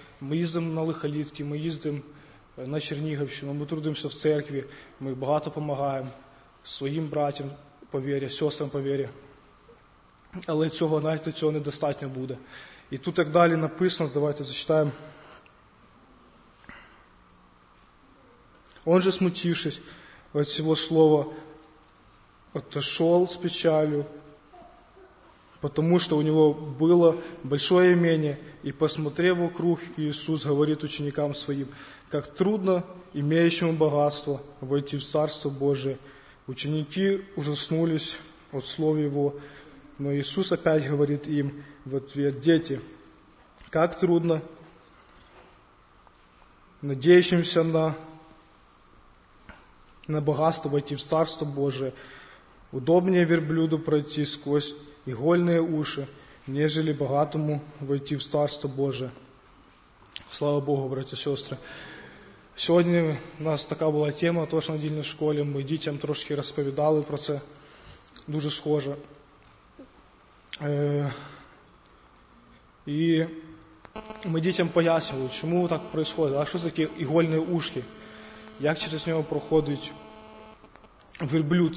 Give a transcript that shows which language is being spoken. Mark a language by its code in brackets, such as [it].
[uk] Ми їздимо на Лихолітки, ми їздимо на Чернігівщину, ми трудимося в церкві, ми багато допомагаємо своїм братям по вірі, сестрам по вірі. Але цього, знаєте, цього недостатньо буде. І тут як далі написано, давайте зачитаємо. [ru] Он же, смутившись від цього слова, отошел с печалью, потому что у него было большое имение, и, посмотрев вокруг, Иисус говорит ученикам своим: «Как трудно имеющему богатство войти в Царство Божие». Ученики ужаснулись от слов Его, но Иисус опять говорит им в ответ: «Дети, как трудно надеющимся на богатство войти в Царство Божие. Удобнее верблюду пройти сквозь игольные уши, нежели богатому войти в Царство Божие». Слава Богу, братья и сестры. [uk] Сьогодні у нас така була тема, тож на дільній школі ми дітям трошки розповідали про це, дуже схоже. І ми дітям пояснювали, чому так відбувається, а що це такі ігольні ушки, як через нього проходить верблюд.